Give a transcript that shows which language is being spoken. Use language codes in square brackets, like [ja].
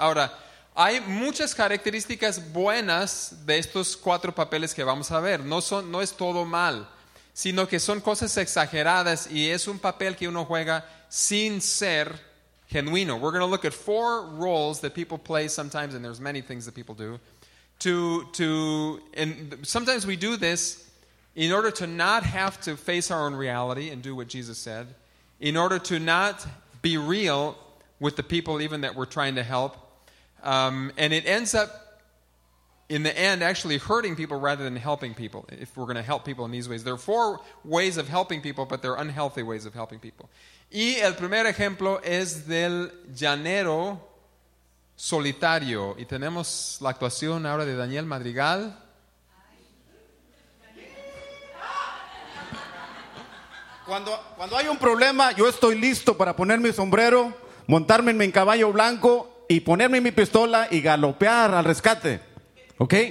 [es] Ahora, hay muchas características buenas de estos cuatro papeles que vamos a ver. No es todo mal, sino que son cosas exageradas y es un papel que uno juega sin ser genuino. [en] We're going to look at four roles that people play sometimes, and there's many things that people do. And sometimes we do this in order to not have to face our own reality and do what Jesus said, in order to not be real with the people even that we're trying to help. And it ends up, in the end, actually hurting people rather than helping people, if we're going to help people in these ways. There are four ways of helping people, but they're unhealthy ways of helping people. [es] Y el primer ejemplo es del llanero solitario. Y tenemos la actuación ahora de Daniel Madrigal. Cuando hay un problema, yo estoy listo para poner mi sombrero, montarme en mi caballo blanco y ponerme mi pistola y galopear al rescate. ¿Ok?